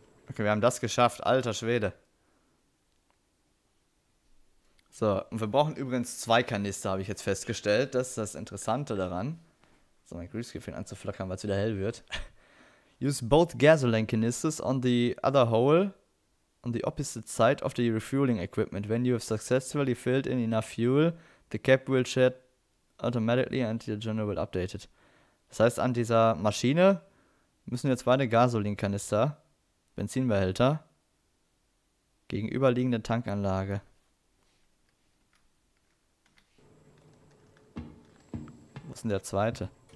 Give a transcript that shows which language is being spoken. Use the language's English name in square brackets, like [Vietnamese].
[German] Okay, wir haben das geschafft, alter Schwede. So, und wir brauchen übrigens zwei Kanister, habe ich jetzt festgestellt. Das ist das Interessante daran. So, mein Greenscreen fängt an zu flackern, weil es wieder hell wird. [English] Use both gasoline canisters on the other hole on the opposite side of the refueling equipment. When you have successfully filled in enough fuel, the cap will shut automatically and the journal will update it. [German] Das heißt, an dieser Maschine müssen wir zwei Gasoline-Kanister... Benzinbehälter. Gegenüberliegende Tankanlage. Wo ist denn der zweite?